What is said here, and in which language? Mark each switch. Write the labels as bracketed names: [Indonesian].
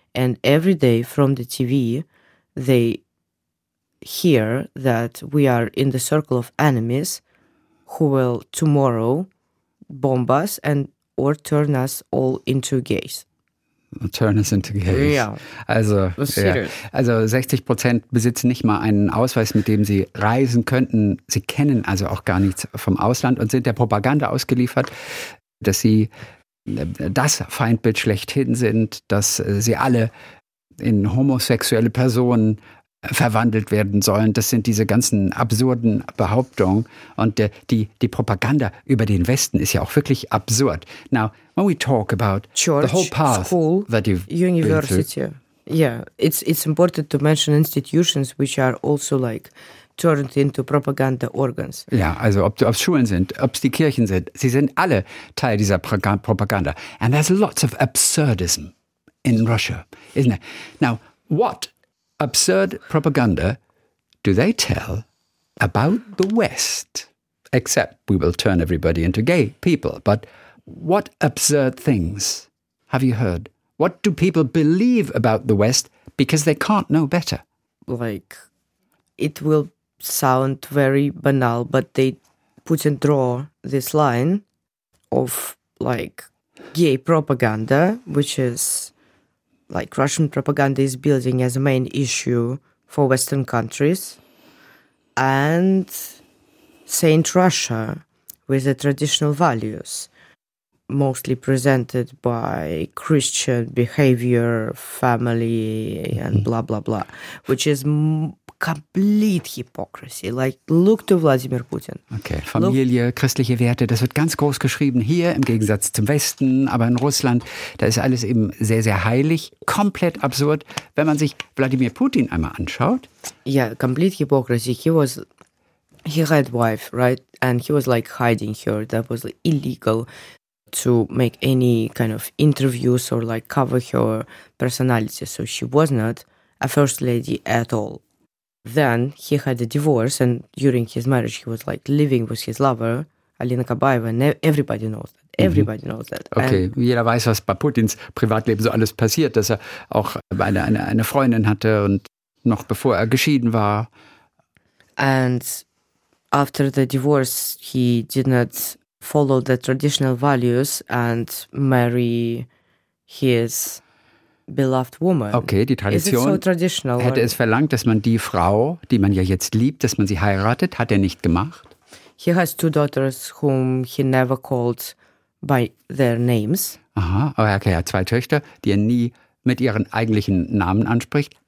[English] And every day from the TV, they hear that we are in the circle of enemies who will tomorrow bomb us and or turn us all into gays. Turn us into gays. Yeah. Also, yeah. [German] Also 60% besitzen nicht mal einen Ausweis, mit dem sie reisen könnten. Sie kennen also auch gar nichts vom Ausland und sind der Propaganda ausgeliefert, dass sie das Feindbild schlechthin sind, dass sie alle in homosexuelle Personen verwandelt werden sollen. Das sind diese ganzen absurden Behauptungen. Und die Propaganda über den Westen ist ja auch wirklich absurd. [English] Now, when we talk about church, the whole path school, that you've university. Been through. Yeah, it's important to mention institutions which are also like turned into propaganda organs. [German] Ja, also ob es Schulen sind, ob es die Kirchen sind, sie sind alle Teil dieser Propaganda. [English] And there's lots of absurdism in Russia, isn't there? Now, what absurd propaganda do they tell about the West? Except we will turn everybody into gay people. But what absurd things have you heard? What do people believe about the West because they can't know better? Like, it will sound very banal, but they put and draw this line of, like, gay propaganda, which is, like, Russian propaganda is building as a main issue for Western countries. And Saint Russia with the traditional values, mostly presented by Christian behavior, family, and blah, blah, blah, which is complete hypocrisy. Like, look to Vladimir Putin. [German] Okay, Familie, [English] look, [German] christliche Werte, das wird ganz groß geschrieben hier im Gegensatz zum Westen, aber in Russland, da ist alles eben sehr, sehr heilig. Komplett absurd, wenn man sich Vladimir Putin einmal anschaut. [English] Yeah, complete hypocrisy. He had wife, right? And he was like hiding her. That was like illegal to make any kind of interviews or like cover her personality. So she was not a first lady at all. Then he had a divorce, and during his marriage, he was like living with his lover, Alina Kabaeva. Everybody knows that. Everybody knows that. [German] Okay, and jeder weiß, was bei Putins Privatleben so alles passiert, dass er auch eine Freundin hatte und noch bevor er geschieden war. [English] And after the divorce, he did not follow the traditional values and marry his beloved woman. [German] Okay, die Tradition. [English] Is it so traditional? [German] Hätte es verlangt, dass man die Frau, die man ja jetzt liebt, dass man sie heiratet, hat er nicht gemacht. [English] He has two daughters whom he never called by their names. [German] Aha, okay, er hat zwei Töchter, die er nie mit ihren eigentlichen Namen anspricht.